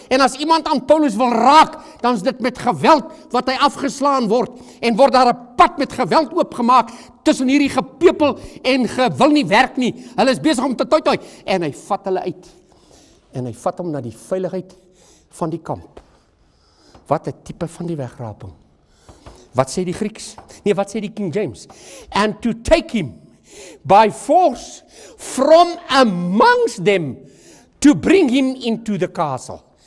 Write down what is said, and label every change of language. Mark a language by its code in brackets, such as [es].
[af] En as iemand aan Paulus wil raak, dan is dit met geweld wat hy afgeslaan word en word daar 'n pad met geweld oopgemaak tussen hierdie gepeupel en gewil nie werk nie. Hulle is besig om te toitoi en hy vat hulle uit. En hy vat hom na die veiligheid van die kamp. Wat een type van die wegraping. Wat sê die Grieks? Nee, wat sê die King James? [en] And to take him by force from amongst them to bring him into the castle.